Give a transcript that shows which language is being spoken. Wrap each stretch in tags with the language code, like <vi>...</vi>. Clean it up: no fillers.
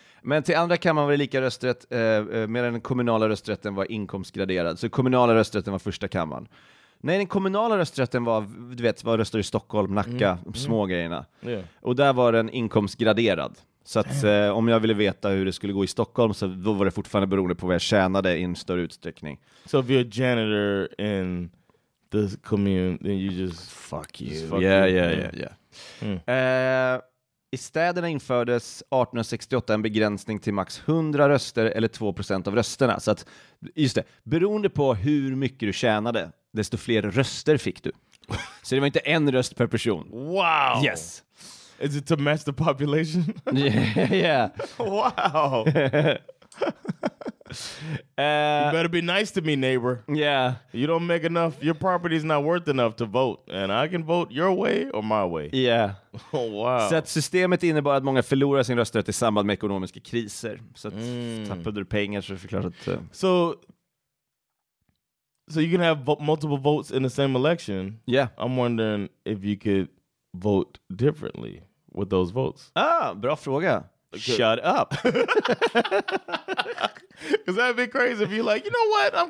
<sv>Men till andra kammaren var det lika rösträtt, medan den kommunala rösträtten var inkomstgraderad. Så kommunala rösträtten var första kammaren. Nej, den kommunala rösträtten var, du vet, var röster i Stockholm, Nacka, små grejerna.</sv> <en>Yeah.</en> <sv>Och där var den inkomstgraderad. Så att om jag ville veta hur det skulle gå i Stockholm, så då var det fortfarande beroende på vad jag tjänade i en större utsträckning.</sv> <en>So if you're a janitor in the commune, then you just fuck you. Just fuck yeah, you. Yeah.</en> <sv>I städerna infördes 1868 en begränsning till max 100 röster eller 2% av rösterna. Så att, just det, beroende på hur mycket du tjänade, desto fler röster fick du. Så det var inte en röst per person.</sv> <en>Wow! Yes! Is it to match the population? Yeah! Wow! You better be nice to me, neighbor. Yeah. You don't make enough. Your property is not worth enough to vote. And I can vote your way or my way. Yeah. Oh, wow.</en> <sv>Så att systemet innebar att många förlorar sin rösträtt i samband med ekonomiska kriser. Så att tappade du pengar så förklarar det.</sv> <en>So you can have multiple votes in the same election. Yeah. I'm wondering if you could vote differently with those votes.</en> <sv>Ah, bra fråga.</sv> <en>Okay. Shut up. Because that'd be crazy if you're like, you know what?</en>